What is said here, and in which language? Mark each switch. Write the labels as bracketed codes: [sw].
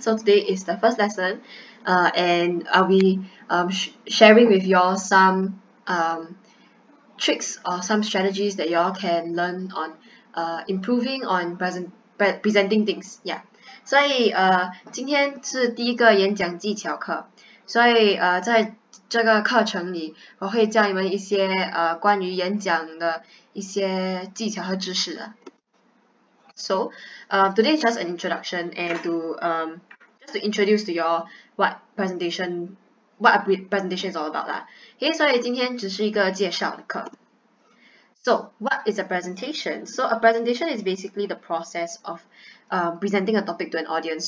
[en] So today is the first lesson, and I'll be sharing with y'all some tricks or some strategies that y'all can learn on improving on presenting things. Yeah. [zh] 所以今天是第一个演讲技巧课。所以在这个课程里，我会教你们一些关于演讲的一些技巧和知识的。 [en] So, today is just an introduction and to introduce to y'all what a presentation is all about lah. [zh] Okay, 所以今天只是一个介绍的课. [en] So, what is a presentation? So, a presentation is basically the process of presenting a topic to an audience.